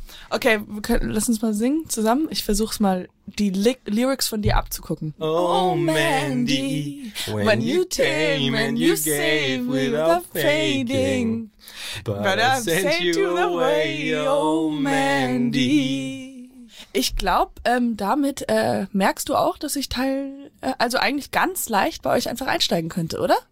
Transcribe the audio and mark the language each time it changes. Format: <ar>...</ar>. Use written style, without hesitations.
<de>Okay, lass uns mal singen zusammen. Ich versuch's mal, die Lyrics von dir abzugucken.</de> <en>Oh, Mandy, when you came and you gave without fading, but I sent you away, oh, Mandy.</en> <de>Ich glaube, damit merkst du auch, dass ich also eigentlich ganz leicht bei euch einfach einsteigen könnte, oder?</de>